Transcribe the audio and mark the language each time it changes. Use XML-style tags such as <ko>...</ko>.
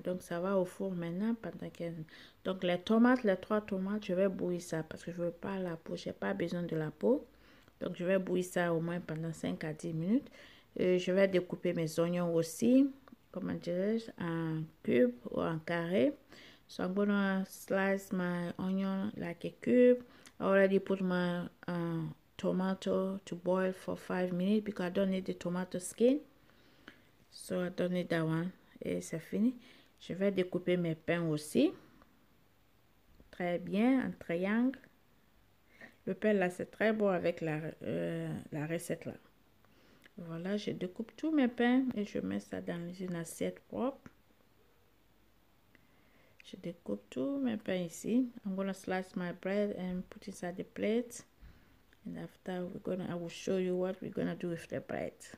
<fr>Donc, ça va au four maintenant pendant 15 minutes. Donc, les tomates, les 3 tomates, je vais bouillir ça parce que je ne veux pas la peau. Je n'ai pas besoin de la peau. Donc, je vais bouillir ça au moins pendant 5 à 10 minutes. Et je vais découper mes oignons aussi, comment dirais-je, en cube ou en carré.</fr> <en>So, I'm gonna slice my onion like a cube. I already put my tomato to boil for 5 minutes because I don't need the tomato skin. So, I don't need that one.</en> <fr>Et c'est fini. Je vais découper mes pains aussi. Très bien, en triangle. Le pain là, c'est très bon avec la recette là. Voilà, je découpe tous mes pains et je mets ça dans une assiette propre. Je découpe tous mes pains ici.</fr> <en>I'm gonna slice my bread and put it inside the plate. And after, I will show you what we're gonna do with the bread.</en>